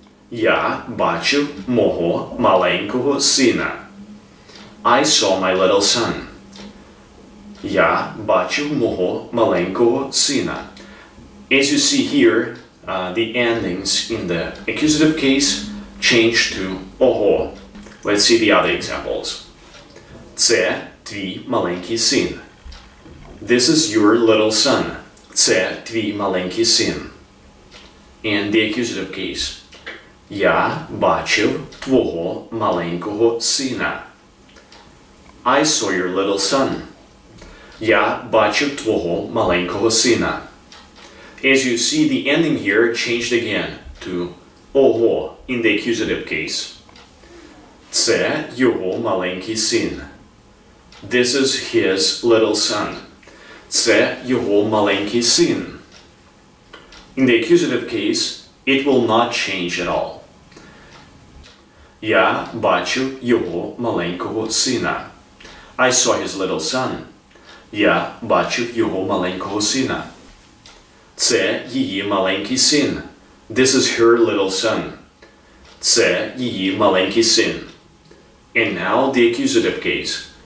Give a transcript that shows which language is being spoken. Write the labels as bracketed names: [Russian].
[Ukrainian] Я бачив мого маленького сина. [English] I saw my little son. [Ukrainian] Я бачив мого маленького сина. [English] As you see here, the endings in the accusative case change to ого. Let's see the other examples. [Ukrainian] Це твій маленький син. [English] This is your little son. [Ukrainian] Це твій маленький син. [English] And the accusative case. [Ukrainian] Я бачив твого маленького сина. [English] I saw your little son. [Ukrainian] Я бачив твого маленького сина. [English] As you see, the ending here changed again to ого in the accusative case. [Ukrainian] Це його маленький син. [English] This is his little son. [Ukrainian] Це його маленький син. [English] In the accusative case, it will not change at all. [Ukrainian] Я бачив його маленького сина. [English] I saw his little son. [Ukrainian] Я бачив його маленького сина. Це її маленький син. [English] This is her little son. [Ukrainian] Це її маленький син. [English] And now the accusative case.